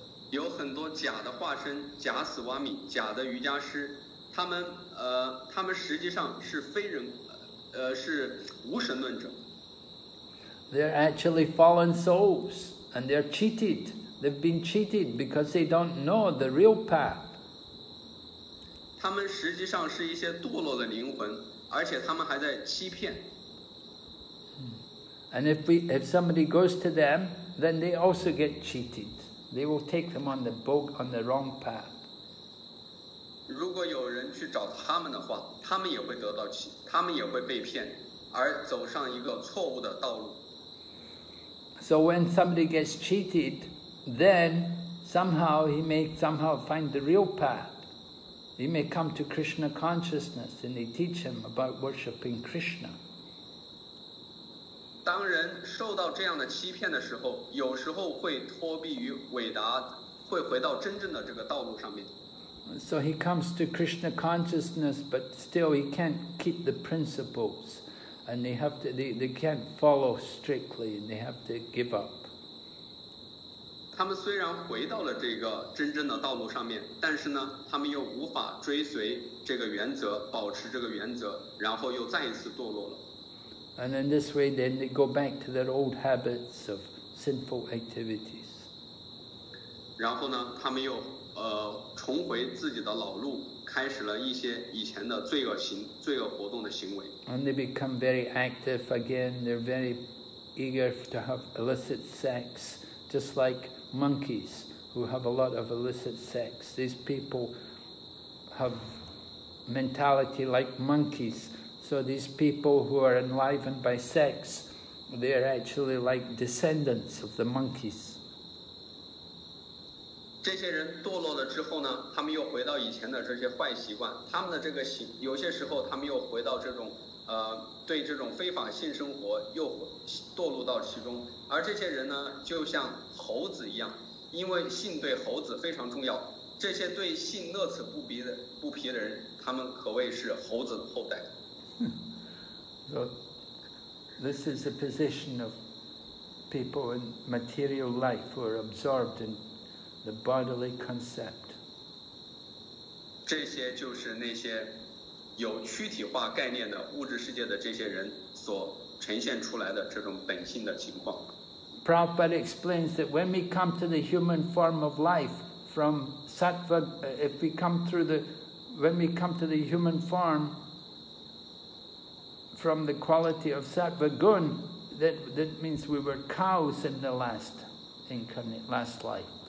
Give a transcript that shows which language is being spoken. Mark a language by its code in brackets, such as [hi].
[zh] 有很多假的化身、假死瓦米、假的瑜伽师，他们实际上是非人，是无神论者。 [en] They're actually fallen souls, and they're cheated. They've been cheated because they don't know the real path. [zh] 他们实际上是一些堕落的灵魂，而且他们还在欺骗。 [en] And if somebody goes to them, then they also get cheated. They will take them on the boat on the wrong path. [zh] 如果有人去找他们的话，他们也会得到气，他们也会被骗，而走上一个错误的道路。 [en] So when somebody gets cheated, then somehow he may somehow find the real path. He may come to Krishna consciousness, and they teach him about worshipping Krishna. [zh] 当人受到这样的欺骗的时候，有时候会脱避于伟达，会回到真正的这个道路上面。 [en] So he comes to Krishna consciousness, but still he can't keep the principles, and they can't follow strictly, and they have to give up. [zh] 他们虽然回到了这个真正的道路上面，但是呢，他们又无法追随这个原则，保持这个原则，然后又再一次堕落了。 [en] And in this way, then they go back to their old habits of sinful activities. [zh] 然后呢，他们又重回自己的老路，开始了一些以前的罪恶活动的行为。 [en] And they become very active again. They're very eager to have illicit sex, just like monkeys who have a lot of illicit sex. These people have mentality like monkeys. So these people who are enlivened by sex, they are actually like descendants of the monkeys. [zh] 这些人堕落了之后呢，他们又回到以前的这些坏习惯。他们的这个行，有些时候他们又回到这种，对这种非法性生活又堕落到其中。而这些人呢，就像猴子一样，因为性对猴子非常重要。这些对性乐此不疲的人，他们可谓是猴子的后代。 [en] So, this is the position of people in material life who are absorbed in the bodily concept. [zh] 这些就是那些有躯体化概念的物质世界的这些人所呈现出来的这种本性的情况。 [en] Prabhupada explains that when we come to the human form of life from sattva, if we come through the, when we come to the human form from the quality of sattva gun, that means we were cows in the last incarnate, last life.